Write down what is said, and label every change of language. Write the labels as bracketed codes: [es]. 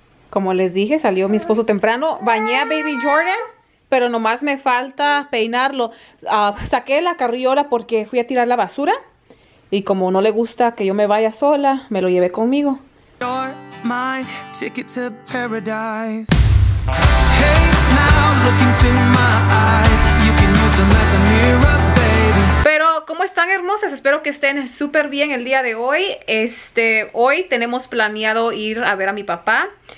[es] Como les dije, salió mi esposo temprano. Bañé a Baby Jordan. Pero nomás me falta peinarlo. Saqué la carriola porque fui a tirar la basura. Y como no le gusta que yo me vaya sola, me lo llevé conmigo. [en] You're my ticket to paradise. Hey, now look into my eyes. You can use them as a mirror, baby. [es] Pero, ¿cómo están, hermosas? Espero que estén súper bien el día de hoy. Hoy tenemos planeado ir a ver a mi papá.